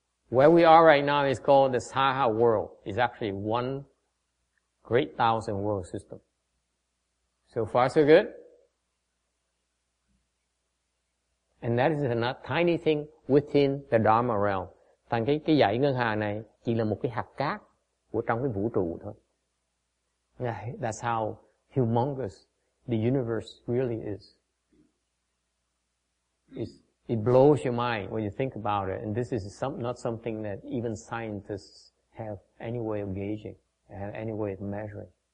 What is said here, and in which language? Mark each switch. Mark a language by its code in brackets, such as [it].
[en] Where we are right now is called the Saha world. It's actually one great thousand world system. So far so good. And that is a tiny thing within the Dharma realm. [vi] Thành cái dãy ngân hà này chỉ là một cái hạt cát của trong cái vũ trụ thôi. [en] Yeah, that's how humongous the universe really is. It blows your mind when you think about it. And this is not something that even scientists have any way of gauging, have any way of measuring.